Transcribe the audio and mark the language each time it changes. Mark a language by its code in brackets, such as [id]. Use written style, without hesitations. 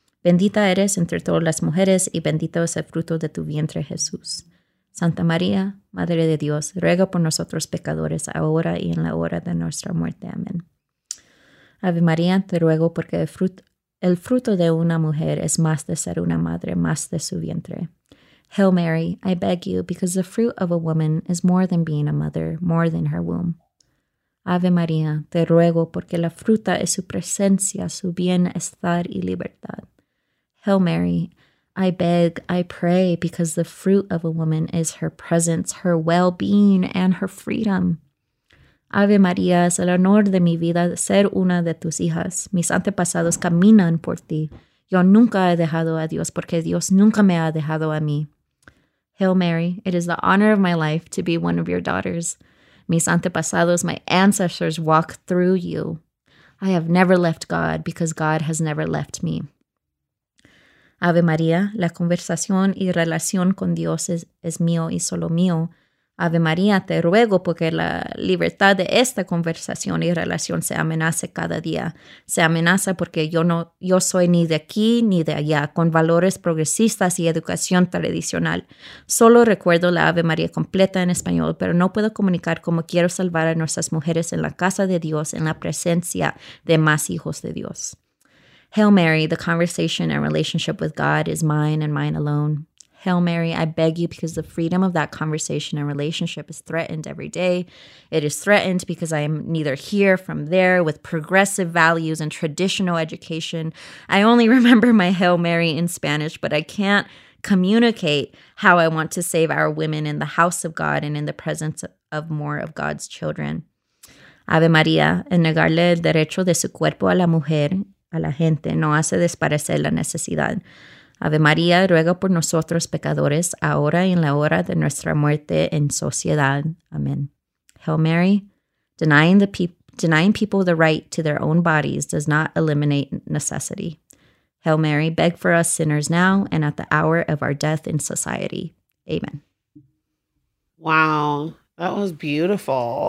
[es] Bendita eres entre todas las mujeres, y bendito es el fruto de tu vientre, Jesús. Santa María, Madre de Dios, ruega por nosotros pecadores, ahora y en la hora de nuestra muerte. Amén. Ave María, te ruego porque el fruto de una mujer es más de ser una madre, más de su vientre. [en] Hail Mary, I beg you, because the fruit of a woman is more than being a mother, more than her womb. [es] Ave María, te ruego porque la fruta es su presencia, su bienestar y libertad. [en] Hail Mary, I beg, I pray, because the fruit of a woman is her presence, her well-being, and her freedom. [es] Ave María, es el honor de mi vida ser una de tus hijas. Mis antepasados caminan por ti. Yo nunca he dejado a Dios porque Dios nunca me ha dejado a mí. [en] Hail Mary, it is the honor of my life to be one of your daughters. Mis antepasados, my ancestors, walk through you. I have never left God because God has never left me. [es] Ave María, la conversación y relación con Dios es mío y solo mío. Ave María, te ruego porque la libertad de esta conversación y relación se amenace cada día. Se amenaza porque yo soy ni de aquí ni de allá, con valores progresistas y educación tradicional. Solo recuerdo la Ave María completa en español, pero no puedo comunicar cómo quiero salvar a nuestras mujeres en la casa de Dios, en la presencia de más hijos de Dios. [en] Hail Mary, the conversation and relationship with God is mine and mine alone. Hail Mary, I beg you because the freedom of that conversation and relationship is threatened every day. It is threatened because I am neither here from there with progressive values and traditional education. I only remember my Hail Mary in Spanish, but I can't communicate how I want to save our women in the house of God and in the presence of more of God's children. [es] Ave María, en negarle el derecho de su cuerpo a la mujer, a la gente, no hace desaparecer la necesidad. Ave María, ruega por nosotros pecadores, ahora y en la hora de nuestra muerte en sociedad. Amen. [en] Hail Mary, denying people the right to their own bodies does not eliminate necessity. Hail Mary, beg for us sinners now and at the hour of our death in society. Amen. Wow, that was beautiful.